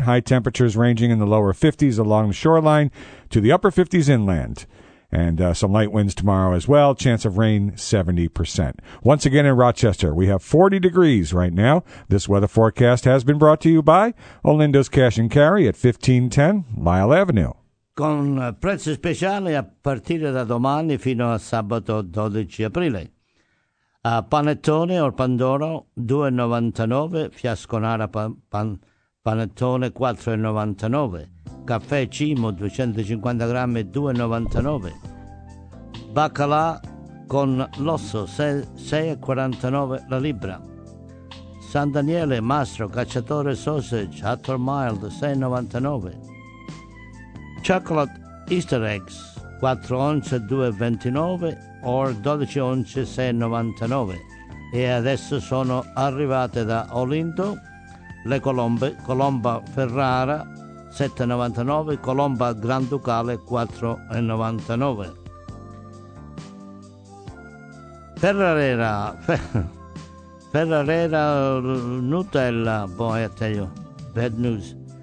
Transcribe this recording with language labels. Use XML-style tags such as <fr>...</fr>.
<en>High temperatures ranging in the lower 50s along the shoreline to the upper 50s inland. And some light winds tomorrow as well. Chance of rain, 70%. Once again in Rochester, we have 40 degrees right now. This weather forecast has been brought to you by Olindo's Cash & Carry at 1510 Lyle Avenue.</en> <it>Con prezzi speciali a partire da domani fino a sabato 12 aprile. A panettone o pandoro, €2,99. Fiasconara panettone, €4,99. Caffè Cimo 250 grammi €2,99. Baccalà con l'osso 6,49 la libra. San Daniele Mastro Cacciatore Sausage Hatter Mild 6,99.</it> <en>Chocolate Easter Eggs</en> <it>4 once 2,29 o 12 once 6,99. E adesso sono arrivate da Olindo le colombe, colomba Ferrara 7,99, colomba Granducale 4,99.</it> <en>Ferrarera Nutella, boy, I tell you, bad news.</en>